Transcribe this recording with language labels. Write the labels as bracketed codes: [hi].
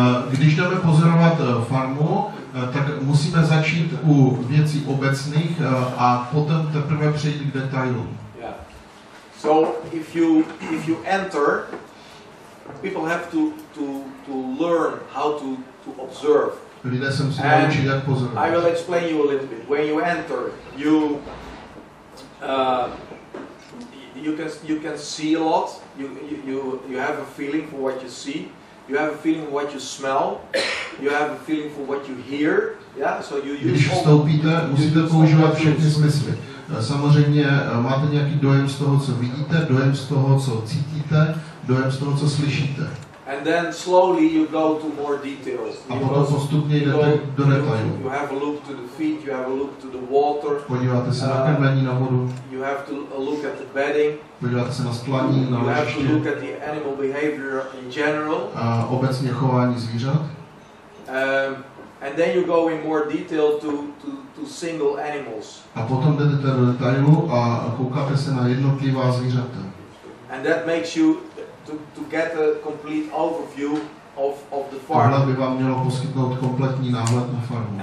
[cs] Když jdeme pozorovat farmu, tak musíme začít u věcí obecných a potom teprve přejít k detailům. [en] Yeah. So if you enter, people have to learn how to observe. [cs] Lidé se musí naučit, jak pozorovat. [en] I will explain you a little bit. When you enter, you can see a lot. You have a feeling for what you see. You have a feeling for what you smell. You have a feeling for what you hear. Yeah. So you use. [cs] Když vstoupíte, musíte používat všechny smysly. Samozřejmě máte nějaký dojem z toho, co vidíte, dojem z toho, co cítíte, dojem z toho, co slyšíte. [en] And then slowly you go to more details. [cs] A potom postupně jdete do detailů. [en] You have a look to the feet. You have a look to the water. [cs] Podíváte se na krmení, na vodu. [en] You have to look at the bedding. [cs] Podíváte se na sklání, na ležiště. [en] You have to look at the animal behavior in general. [cs] A obecně chování zvířat. [en] And then you go in more detail to single animals. [cs] A potom jdete do detailu a koukáte se na jednotlivá zvířata. [en] And that makes you to get a complete overview of the farm. [cs] Tohle by vám mělo poskytnout kompletní náhled na farmu.